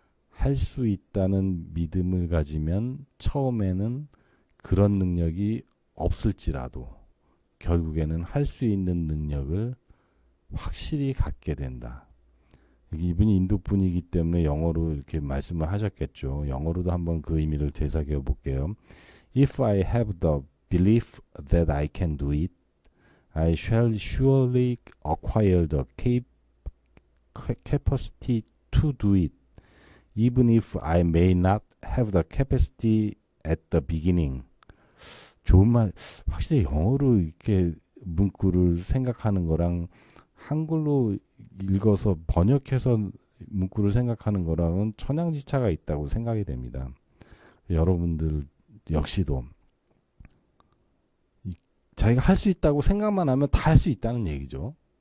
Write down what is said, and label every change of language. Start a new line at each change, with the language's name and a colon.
Korean: 할수 있다는 믿음을 가지면 처음에는 그런 능력이 없을지라도 결국에는 할수 있는 능력을 확실히 갖게 된다. 이분이 인도 분이기 때문에 영어로 이렇게 말씀을 하셨겠죠. 영어로도 한번 그 의미를 되새겨 볼게요.
English: If I have the belief that I can do it, I shall surely acquire the capacity to do it, even if I may not have the capacity at the beginning.
Korean: 좋은 말, 확실히 영어로 이렇게 문구를 생각하는 거랑 한글로 읽어서 번역해서 문구를 생각하는 거랑은 천양지차가 있다고 생각이 됩니다. 여러분들 역시도 자기가 할수 있다고 생각만 하면 다할수 있다는 얘기죠.